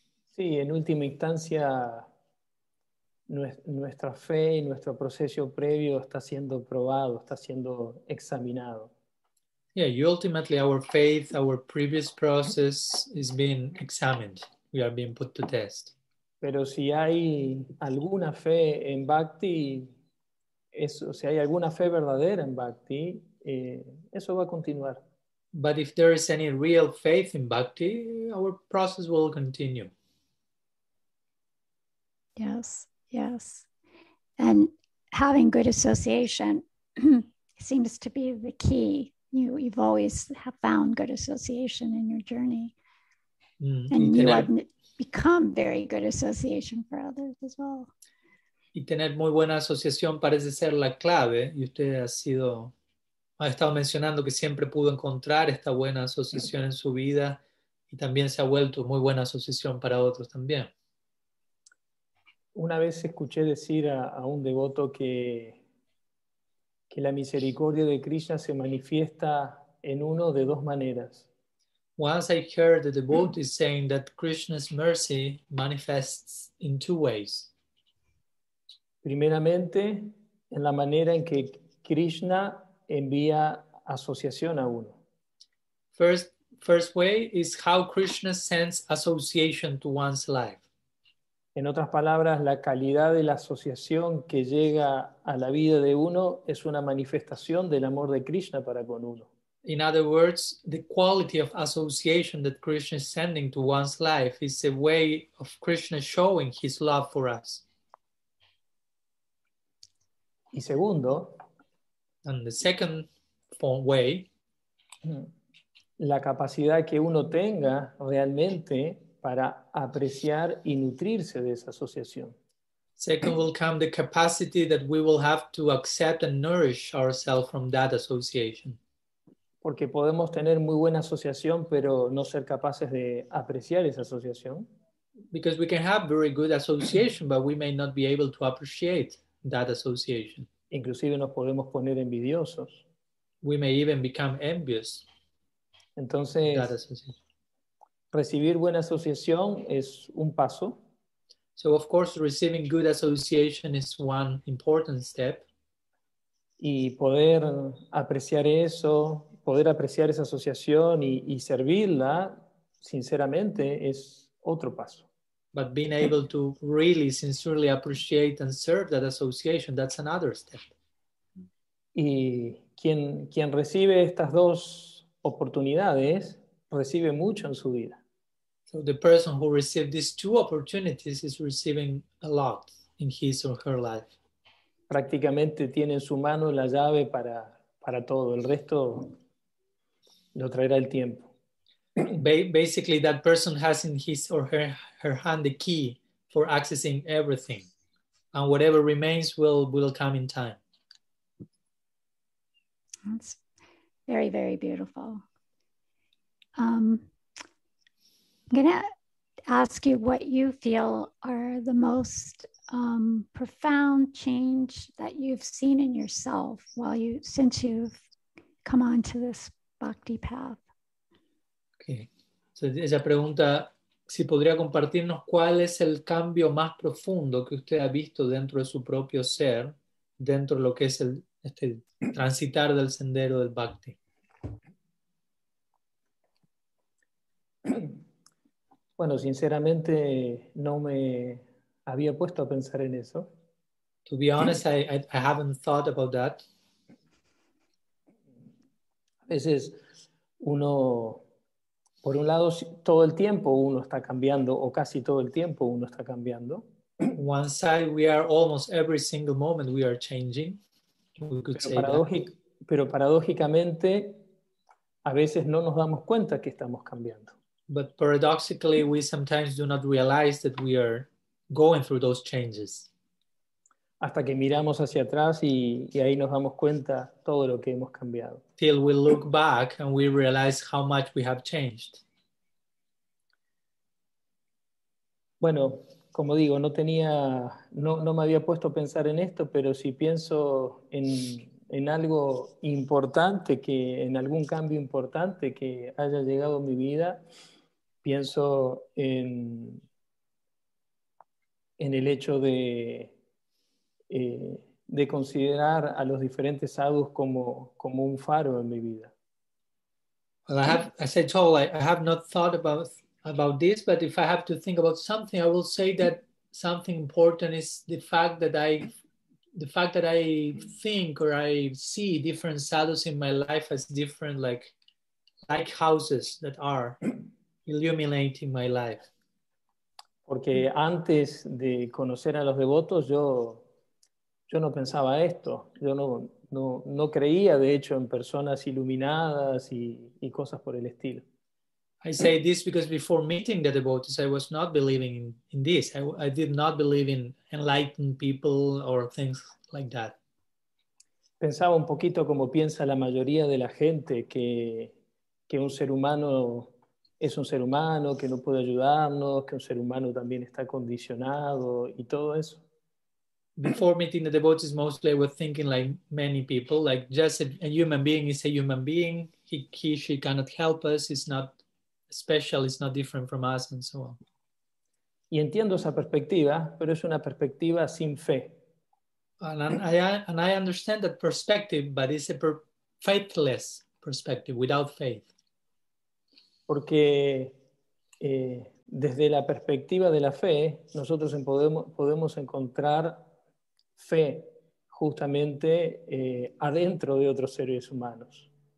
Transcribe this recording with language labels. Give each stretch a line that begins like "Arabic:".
Spanish: Sí, en última instancia, nuestra fe y nuestro proceso previo está siendo probado, está siendo examinado.
English: Yeah, ultimately our faith, our previous process is being examined. We are being put to test.
Spanish: Pero si hay alguna fe en bhakti, si hay alguna fe verdadera en bhakti, eso va a continuar.
English: But if there is any real faith in bhakti, our process will continue. Yes, yes. And having good association seems to be the key. You've always have found good association in your journey. And you have become very good association for others as well.
Spanish: Y tener muy buena asociación parece ser la clave. Y usted ha estado mencionando que siempre pudo encontrar esta buena asociación en su vida. Y también se ha vuelto muy buena asociación para otros también. Una vez escuché decir a un devoto que la misericordia de Krishna se manifiesta en uno de dos maneras.
English: Once I heard the devotee saying that Krishna's mercy manifests in two ways.
Spanish: Primeramente, en la manera en que Krishna envía asociación a uno.
English: First way is how Krishna sends association to one's life.
Spanish: En otras palabras, la calidad de la asociación que llega a la vida de uno es una manifestación del amor de Krishna para con uno.
English: In other words, the quality of association that Krishna is sending to one's life is a way of Krishna showing his love for us.
Spanish: Y segundo,
English: and the second way,
Spanish: la capacidad que uno tenga realmente para apreciar y nutrirse de esa asociación.
English: Second will come the capacity that we will have to accept and nourish ourselves from that association.
Spanish: Porque podemos tener muy buena asociación, pero no ser capaces de apreciar esa asociación.
English: Because we can have very good association, but we may not be able to appreciate that association.
Spanish: Inclusive nos podemos poner envidiosos.
English: We may even become envious.
Spanish: Entonces,
English: that association.
Spanish: Recibir buena asociación es un paso.
English: So of course, receiving good association is one important step.
Spanish: Y poder apreciar eso, poder apreciar esa asociación y servirla, sinceramente, es otro paso.
English: But being able to really sincerely appreciate and serve that association, that's another step.
Spanish: Y quien recibe estas dos oportunidades, recibe mucho en su vida.
English: So the person who received these two opportunities is receiving a lot in his or her life.
Spanish: Prácticamente tiene en su mano la llave para todo. El resto lo traerá el tiempo.
English: Basically, that person has in his or her hand the key for accessing everything. And whatever remains will come in time. That's very, very beautiful. I'm going to ask you what you feel are the most profound change that you've seen in yourself since you've come on to this bhakti path. Okay. So
Spanish: ella pregunta si podría compartirnos cuál es el cambio más profundo que usted ha visto dentro de su propio ser, dentro de lo que es el este transitar del sendero del bhakti. Bueno, sinceramente no me había puesto a pensar en eso.
English: To be honest, I haven't thought about that.
Spanish: A veces uno, por un lado, todo el tiempo uno está cambiando, o casi todo el tiempo uno está cambiando.
English: One side, we are almost every single moment we are changing. We could
Spanish: say pero paradójicamente, a veces no nos damos cuenta que estamos cambiando.
English: But paradoxically, we sometimes do not realize that we are going through those changes.
Spanish: Hasta que miramos hacia atrás y ahí nos damos cuenta todo lo que hemos cambiado.
English: Till we look back and we realize how much we have changed.
Spanish: Bueno, como digo, no me había puesto a pensar en esto, pero si pienso en algo importante, que en algún cambio importante que haya llegado a mi vida, pienso en el hecho de considerar a los diferentes sadhus como un faro en mi vida.
English: Well, I have not thought about this, but if I have to think about something, I will say that something important is the fact that I think or I see different sadhus in my life as different like houses that are illuminating my life.
Spanish: Porque antes de conocer a los devotos, yo no pensaba esto. Yo no creía, de hecho, en personas iluminadas y cosas por el estilo.
English: I say this because before meeting the devotees, I was not believing in this. I did not believe in enlightened people or things like that.
Spanish: Pensaba un poquito como piensa la mayoría de la gente, que un ser humano es un ser humano, que no puede ayudarnos, que un ser humano también está condicionado y todo eso.
English: Before meeting the devotees, mostly I was thinking like many people, like just a human being is a human being. He/she cannot help us. It's not special. It's not different from us, and so on.
Spanish: Y entiendo esa perspectiva, pero es una perspectiva sin fe.
English: And I understand that perspective, but it's a faithless perspective, without faith.
Spanish: Porque desde la perspectiva de la fe, nosotros podemos encontrar fe justamente adentro de otros seres humanos.